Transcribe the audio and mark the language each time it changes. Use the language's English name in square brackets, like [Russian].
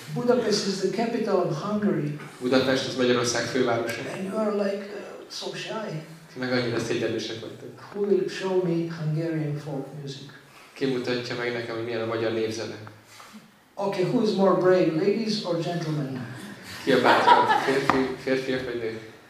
[English] Budapest is the capital of Hungary. [Hungarian] Budapest az Magyarország fővárosa. [English] And you are like so shy. [Hungarian] Ti meg annyira szégyenlősek vagytok. [English] Who will show me Hungarian folk music? [Hungarian] Ki mutatja meg nekem, hogy milyen a magyar népzene? [English] Okay, who is more brave, ladies or gentlemen? [Hungarian] Ki a bátorabb, férfiak vagy nők?